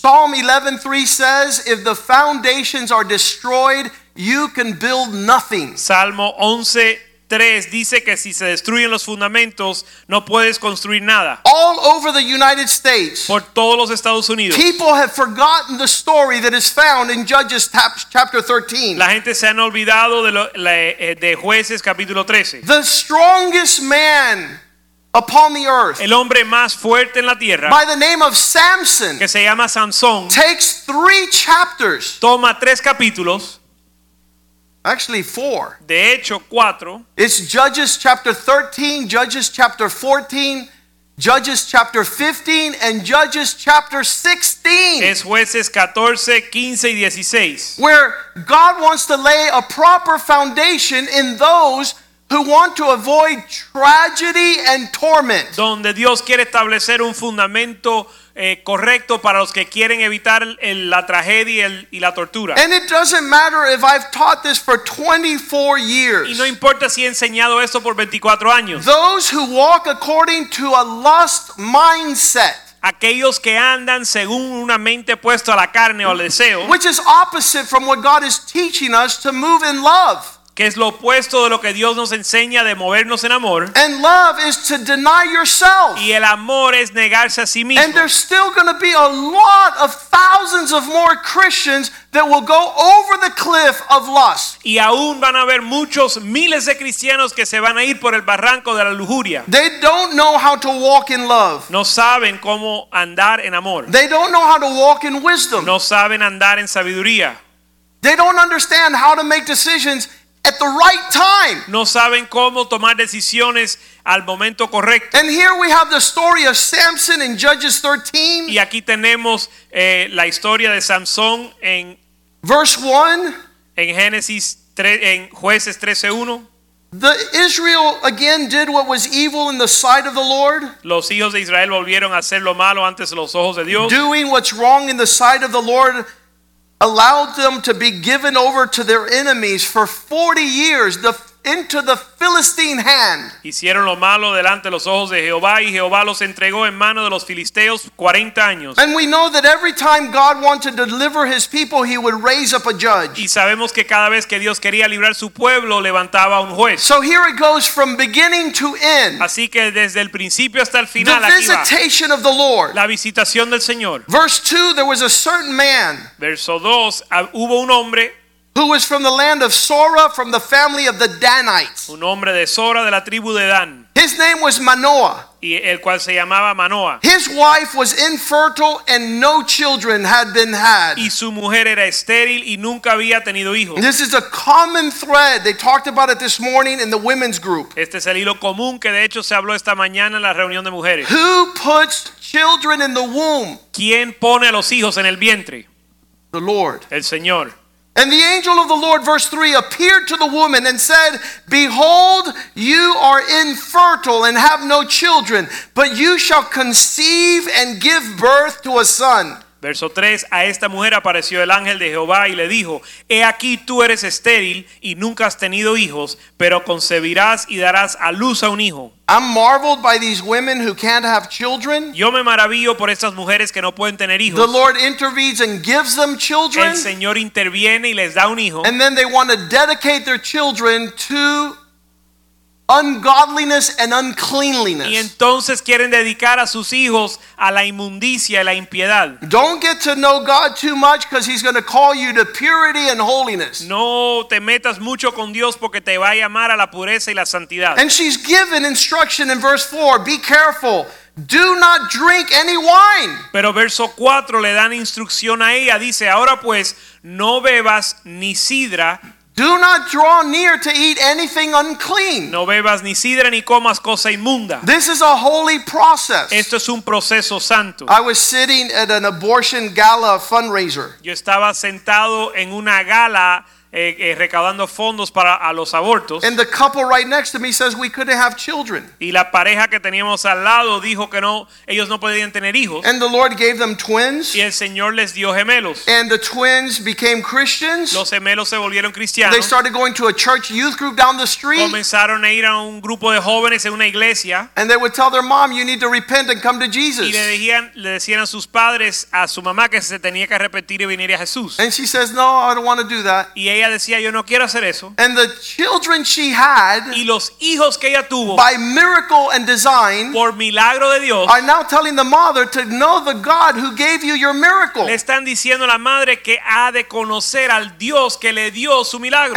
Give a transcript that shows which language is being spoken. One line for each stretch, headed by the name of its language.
English: Psalm 11:3 says, if the foundations are destroyed, you can build nothing.
Spanish: Salmo 11:3 dice que si se destruyen los fundamentos, no puedes construir nada.
English: All over the United States.
Spanish: Por todos los Estados Unidos.
English: People have forgotten the story that is found in Judges chapter 13.
Spanish: La gente se han olvidado de Jueces capítulo 13.
English: The strongest man upon the earth,
Spanish: el hombre más fuerte en la tierra,
English: by the name of Samson,
Spanish: que se llama Sansón,
English: takes three chapters,
Spanish: toma tres capítulos,
English: actually four,
Spanish: de hecho cuatro.
English: It's Judges chapter 13, Judges chapter 14, Judges chapter 15, and Judges chapter 16.
Spanish: Es Jueces 14, 15 y 16,
English: where God wants to lay a proper foundation in those who want to avoid tragedy and torment.
Spanish: Donde Dios quiere establecer un fundamento correcto para los que quieren evitar la tragedia y la tortura.
English: And it doesn't matter if I've taught this for 24 years.
Spanish: Y no importa si he enseñado esto por 24 años.
English: Those who walk according to a lust mindset.
Spanish: Aquellos que andan según una mente puesta a la carne o al deseo.
English: Which is opposite from what God is teaching us to move in love.
Spanish: Que es lo opuesto de lo que Dios nos enseña de movernos en amor.
English: And love is to deny yourself.
Spanish: Y el amor es negarse a sí mismo.
English: And there's still going to be a lot of thousands of more Christians that will go over the cliff of lust.
Spanish: Y aún van a haber muchos miles de cristianos que se van a ir por el barranco de la lujuria.
English: They don't know how to walk in love.
Spanish: No saben cómo andar en amor.
English: They don't know how to walk in wisdom.
Spanish: No saben andar en sabiduría.
English: They don't understand how to make decisions at the right time.
Spanish: No saben cómo tomar decisiones al momento correcto.
English: And here we have the story of Samson in Judges 13.
Spanish: Y aquí tenemos la historia de Sansón en
English: verse 1
Spanish: en Génesis 3 en Jueces 13:1.
English: The Israel again did what was evil in the sight of the Lord.
Spanish: Los hijos de Israel volvieron a hacer lo malo antes de los ojos de Dios.
English: Doing what's wrong in the sight of the Lord allowed them to be given over to their enemies for 40 years into the Philistine hand.
Spanish: Hicieron lo malo delante de los ojos de Jehová y Jehová los entregó en mano de los filisteos 40 años.
English: And we know that every time God wanted to deliver his people, he would raise up a judge.
Spanish: Y sabemos que cada vez que Dios quería librar su pueblo, levantaba un juez.
English: So here it goes from beginning to end.
Spanish: Así que desde el principio hasta el final,
English: the visitation of the Lord.
Spanish: La visitación del Señor.
English: Verse 2, there was a certain man.
Spanish: Verso 2, hubo un hombre
English: who was from the land of Sora, from the family of the Danites.
Spanish: Un hombre de Sora, de la tribu de Dan.
English: His name was Manoah.
Spanish: Y el cual se llamaba Manoah.
English: His wife was infertile and no children had been had.
Spanish: Y su mujer era estéril y nunca había tenido hijos.
English: This is a common thread. They talked about it this morning in the women's group.
Spanish: Este es el hilo común que de hecho se habló esta mañana en la reunión de mujeres.
English: Who puts children in the womb?
Spanish: ¿Quién pone a los hijos en el vientre?
English: The Lord.
Spanish: El Señor.
English: And the angel of the Lord, verse 3, appeared to the woman and said, behold, you are infertile and have no children, but you shall conceive and give birth to a son.
Spanish: Verso 3, a esta mujer apareció el ángel de Jehová y le dijo, he aquí tú eres estéril y nunca has tenido hijos, pero concebirás y darás a luz a un hijo.
English: I'm marveled by these women who can't have children.
Spanish: Yo me maravillo por estas mujeres que no pueden tener hijos.
English: The Lord intervenes and gives them children.
Spanish: El Señor interviene y les da un hijo.
English: And then they want to dedicate their children to ungodliness and uncleanliness.
Spanish: Y entonces quieren dedicar a sus hijos a la inmundicia y la impiedad.
English: Don't get to know God too much because he's going to call you to purity and holiness.
Spanish: No te metas mucho con Dios porque te va a llamar a la pureza y la santidad.
English: And she's given instruction in verse 4, be careful. Do not drink any wine.
Spanish: Pero verso 4 le dan instrucción a ella, dice, ahora pues no bebas ni sidra.
English: Do not draw near to eat anything unclean.
Spanish: No bebas ni sidra ni comas cosa inmunda.
English: This is a holy process.
Spanish: Esto es un proceso santo.
English: I was sitting at an abortion gala fundraiser.
Spanish: Yo estaba sentado en una gala recaudando fondos para a los abortos.
English: And the couple right next to me says we couldn't have children.
Spanish: Y la pareja que teníamos al lado dijo que no, ellos no podían tener hijos.
English: And the Lord gave them twins.
Spanish: Y el Señor les dio gemelos.
English: And the twins became Christians.
Spanish: Los gemelos se volvieron cristianos.
English: They started going to a church youth group down the street.
Spanish: Comenzaron a ir a un grupo de jóvenes en una iglesia.
English: And they would tell their mom, you need to repent and come to Jesus.
Spanish: Y le decían a sus padres, a su mamá, que se tenía que arrepentir y venir a Jesús.
English: And she says, no, I don't want to do that.
Spanish: Y ella decía, yo no quiero hacer eso.
English: And the children she had,
Spanish: y los hijos que ella tuvo,
English: by miracle and design,
Spanish: por milagro de Dios,
English: are now telling the mother to know the God who gave you your miracle.
Spanish: Le están diciendo a la madre que ha de conocer al Dios que le dio su milagro.